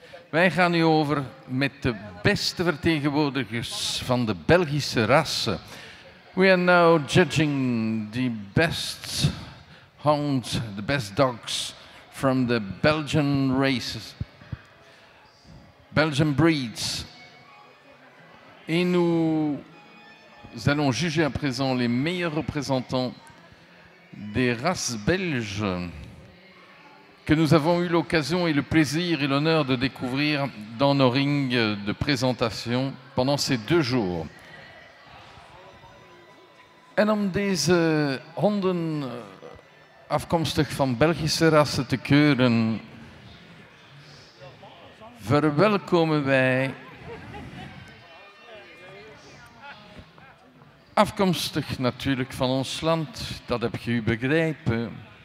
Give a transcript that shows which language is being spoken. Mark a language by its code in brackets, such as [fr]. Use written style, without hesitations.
[nl] Wij gaan nu over met de beste vertegenwoordigers van de Belgische rassen. [en] We are now judging the best hounds, the best dogs from the Belgian races, Belgian breeds. [fr] Et nous allons juger à présent les meilleurs représentants des races belges que nous avons eu l'occasion et le plaisir et l'honneur de découvrir dans nos rings de présentation pendant ces deux jours. [nl] En om deze honden afkomstig van Belgische rassen te keuren, verwelkomen wij afkomstig natuurlijk van ons land, dat heb je u begrepen.